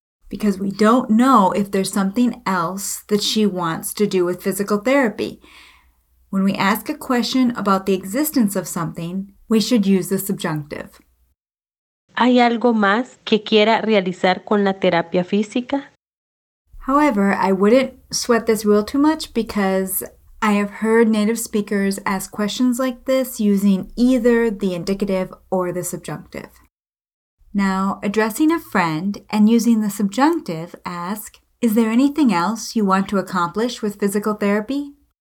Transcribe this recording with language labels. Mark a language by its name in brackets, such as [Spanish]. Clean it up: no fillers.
[English] Because we don't know if there's something else that she wants to do with physical therapy. When we ask a question about the existence of something, we should use the subjunctive. [Spanish] ¿Hay algo más que quiera realizar con la terapia física? [English] However, I wouldn't sweat this rule too much because I have heard native speakers ask questions like this using either the indicative or the subjunctive. Now, addressing a friend and using the subjunctive, ask, is there anything else you want to accomplish with physical therapy?